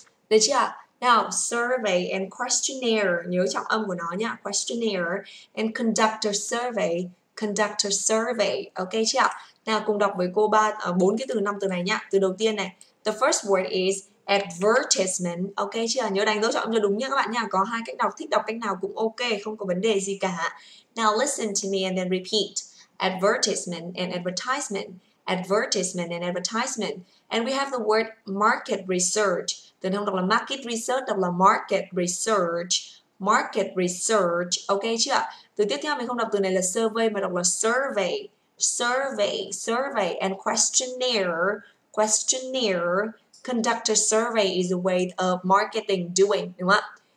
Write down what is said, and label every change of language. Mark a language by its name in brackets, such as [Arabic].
[Vietnamese] Được chưa ạ? Now, survey and questionnaire, nhớ trọng âm của nó nhá, questionnaire, and conductor survey, ok chưa? Nào, cùng đọc với cô ba bốn cái từ, năm từ này nhá. Từ đầu tiên này, [English] the first word is advertisement, [Vietnamese] ok chưa? Nhớ đánh dấu trọng âm cho đúng nhá các bạn nhá, có hai cách đọc, thích đọc cách nào cũng ok, không có vấn đề gì cả. [English] Now, listen to me and then repeat, advertisement and advertisement. Advertisement and advertisement. And we have the word market research. [Vietnamese] Từ này không đọc là market research, đọc là market research. Market research, ok chưa? Từ tiếp theo mình không đọc từ này là survey, mà đọc là survey. [English] Survey, survey and questionnaire. Questionnaire. Conduct a survey is a way of marketing doing, [Vietnamese] đúng không ạ?